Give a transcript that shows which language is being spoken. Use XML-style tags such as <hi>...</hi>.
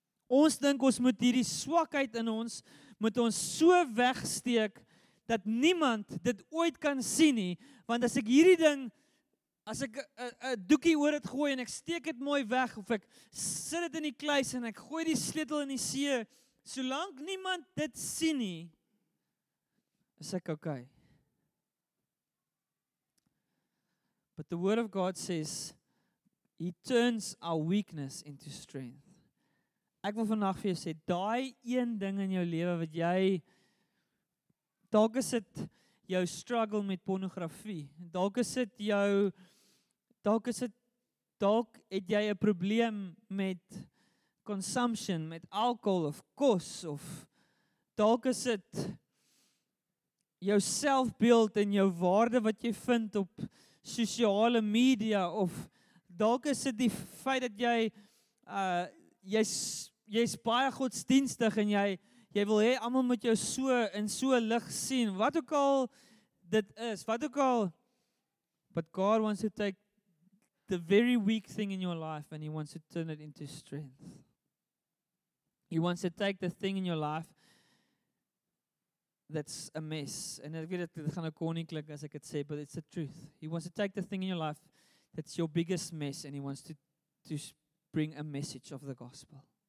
<af>Ons dink ons moet hierdie swakheid in ons, moet ons so wegsteek, dat niemand dit ooit kan sien nie, want as ek hierdie ding, as ek een doekie oor het gooi, en ek steek het mooi weg, of ek sit het in die kluis, en ek gooi die sleutel in die see, solank niemand dit sien nie, is ek okay.</af> <en>But the word of God says, he turns our weakness into strength.</en> <af>Ek wil vandag vir jou sê, daai een ding in jou lewe wat jy, dalk is dit jou struggle met pornografie, dalk het jy 'n probleem met consumption, met alcohol of kos, of dalk is dit jou selfbeeld en jou waarde wat jy vind op sosiale media, of dalk is dit die feit dat jy is baie godsdienstig en jy wil hê almal moet jou so in so lig sien, wat ook al dit is, wat ook al,</af> <en>but God wants to take the very weak thing in your life and he wants to turn it into strength. He wants to take the thing in your life that's a mess. And I get it, it's kind of corny click as I could say, but it's the truth. He wants to take the thing in your life that's your biggest mess and he wants to bring a message of the gospel.</en>